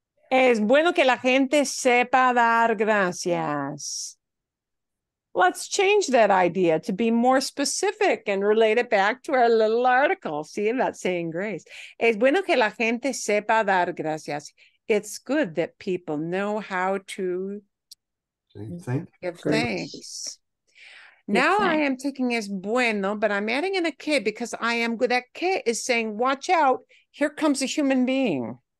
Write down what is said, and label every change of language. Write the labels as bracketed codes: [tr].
[es] Es bueno que la gente sepa dar gracias. [en] Let's change that idea to be more specific and relate it back to our little article. See, about saying grace. [es] Es bueno que la gente sepa dar gracias. [en] It's good that people know how to give thanks. Now I am taking [es] es bueno, [en] but I'm adding in a que because I am good. That que is saying, watch out, here comes a human being.